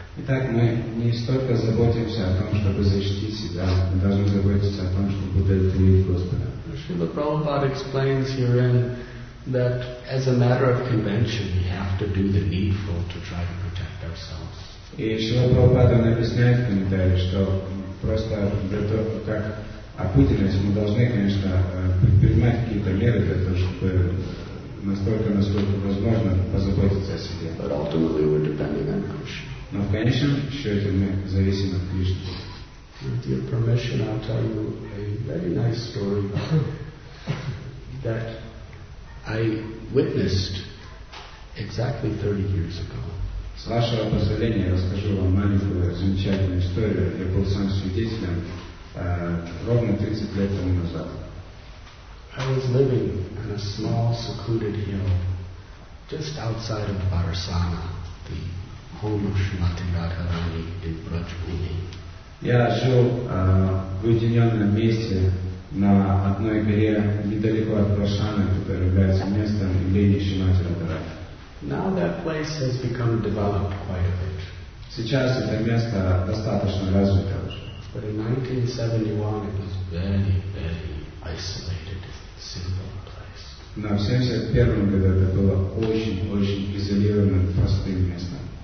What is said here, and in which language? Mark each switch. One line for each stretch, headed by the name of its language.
Russian: Итак, мы не столько заботимся о том, чтобы защитить себя, мы должны заботиться о том, чтобы удовлетворить Господа.
English: Srila Prabhupada explains herein that as a matter of convention we have to do the needful to try to protect ourselves.
Russian: И Srila Prabhupada объясняет в комментарии, что просто для того, как опытились, мы должны, конечно, предпринимать какие-то меры для того, чтобы настолько возможно позаботиться о себе.
English: But ultimately we're depending on Krishna.
Russian: Но в конечном счете мы зависим от Кришны.
English: With your permission, I'll tell you a very nice story that I witnessed exactly 30 years ago.
Russian: С вашего позволения, я расскажу вам маленькую замечательную историю. Я был сам свидетелем ровно 30 лет тому назад.
English: I was living on a small secluded hill just outside of Barsana, the home of Shrimati Radharani in Brajbhumi.
Russian: Я жил в уединенном месте на одной горе недалеко от Барсана, которое является местом имени Шримати Радхарани.
English: Now that place has become developed quite a bit.
Russian: Сейчас это место достаточно развито уже.
English: But in 1971 it was very, very isolated, simple place.
Russian: Но в 71 году это было очень-очень изолированным, простым местом.